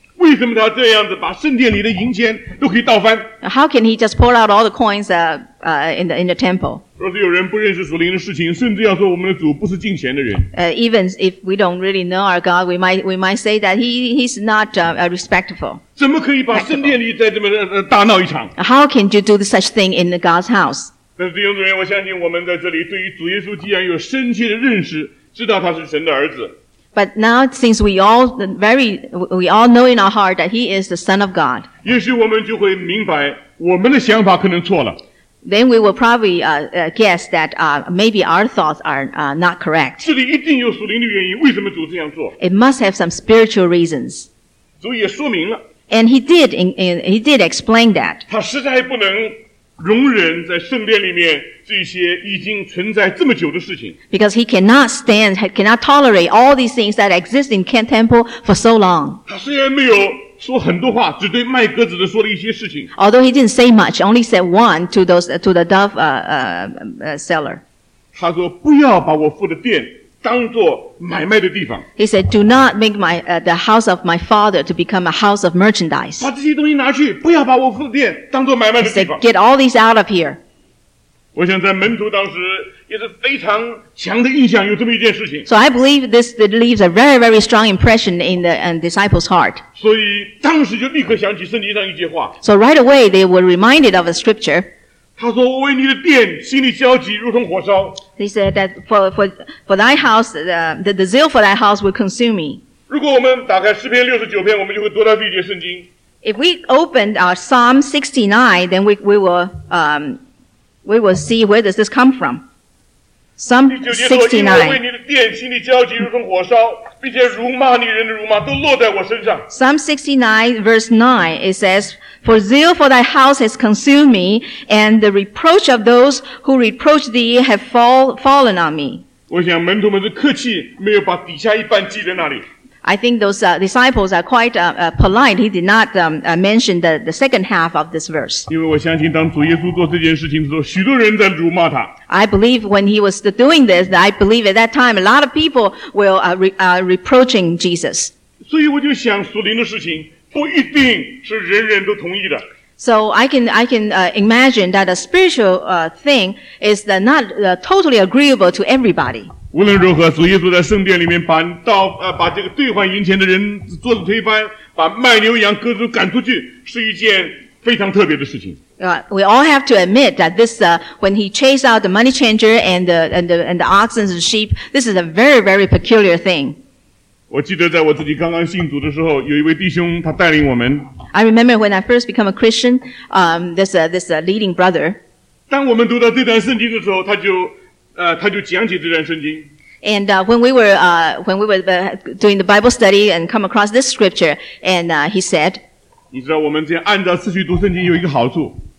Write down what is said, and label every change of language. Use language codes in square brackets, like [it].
[zh] 为什么他这样子把圣殿里的银钱都可以倒翻？ [en] How can he just pour out all the coins in the temple? [zh] 若是有人不认识属灵的事情，甚至要说我们的主不是敬虔的人。 [en] Even if we don't really know our God, we might say that he's not respectful. [zh] 怎么可以把圣殿里再这么大闹一场？ [en] How can you do such thing in God's house? [zh] 但是弟兄姊妹，我相信我们在这里对于主耶稣既然有深切的认识，知道他是神的儿子。 [en] But now, since we all know in our heart that he is the Son of God, [zh] 也许我们就会明白我们的想法可能错了。 [en] Then we will probably guess that maybe our thoughts are not correct. [zh] 这里一定有属灵的原因，为什么主这样做 [en] ？It must have some spiritual reasons. [zh] 主也说明了。 [en] And he did explain that. [zh] 他实在不能。容忍在圣殿里面这些已经存在这么久的事情。 [en] Because he cannot tolerate all these things that exist in Kent Temple for so long. [zh] 他虽然没有说很多话，只对卖鸽子的说了一些事情。 [en] Although he didn't say much, only said one to those, to the dove, seller. [zh] 他说不要把我付的店当作买卖的地方。 [en] He said, do not make my, the house of my father to become a house of merchandise. [zh] 把这些东西拿去，不要把我父的店当作买卖的地方。 [en] He said, get all these out of here. [zh] 我想在门徒当时也是非常强的印象，有这么一件事情。 [en] So I believe this leaves a very, very strong impression in the disciples' heart. [zh] 所以当时就立刻想起圣经上一句话。 [en] So right away, they were reminded of a scripture. [zh] 他说我为你的殿心里焦急如同火烧。 [en] He said that for thy house, the zeal for thy house will consume me. [zh] 如果我们打开诗篇六十九篇，我们就会读到这一节圣经。 [en] If we opened our Psalm 69, then we will see where does this come from. Psalm 69. [zh] 因为我为你的殿心里焦急如同火烧，并且辱骂你人的辱骂都落在我身上。 [en] Psalm 69 verse 9, it says,For zeal for thy house has consumed me, and the reproach of those who reproach thee have fallen on me. [zh] 我想门徒们是客气，没有把底下一半记在那里。 [en] I think those disciples are quite polite. He did not mention the second half of this verse. [zh] 因为我相信当主耶稣做这件事情的时候，许多人在辱骂他。 [en] I believe when he was doing this, I believe at that time a lot of people were reproaching Jesus. [zh] 所以我就想属灵的事情。不一定是人人都同意的。 [en] So I can imagine that a spiritual thing is that not totally agreeable to everybody. [zh] 无论如何，主耶稣在圣殿里面把盗把这个兑换银钱的人桌子推翻，把卖牛羊鸽子赶出去，是一件非常特别的事情。 [en] We all have to admit that this, when he chased out the money changer and the oxen and sheep, this is a very, very peculiar thing. [zh] 我记得在我自己刚刚信主的时候，有一位弟兄他带领我们。 [en] I remember when I first became a Christian, this leading brother. [zh] 当我们读到这段圣经的时候，他就讲解这段圣经。 [en] And when we were doing the Bible study and come across this scripture, and he said, [zh] 你知道我们这样按照次序读圣经有一个好处。